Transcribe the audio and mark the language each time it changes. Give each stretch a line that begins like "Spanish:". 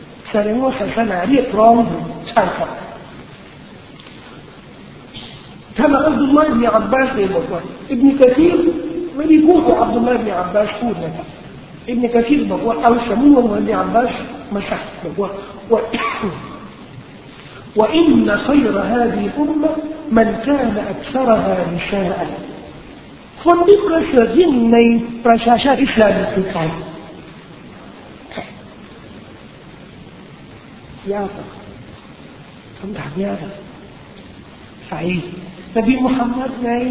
Thai: แสดงว่าศาสนาเรียกร้องใช่ครับท่านอับดุลลาห์บินอับบาสเองบอกว่าอิบนุกะซีรไม่ได้พูดว่าอับดุลลาห์บินอับบาสพูดนะอิบนุกะซีรบอกว่าเอาสมมุติว่าอับบาสมาสักบอกว่า
Arabic: وإن خير هذه الأمة من كان أكثرها نساء.
Thai: คนที่ประเสริฐยิ่งในประชาชาติอิสลามคือใครยากอ่ะคำถามยากอ่ะใครนบีมุฮัมมัดไง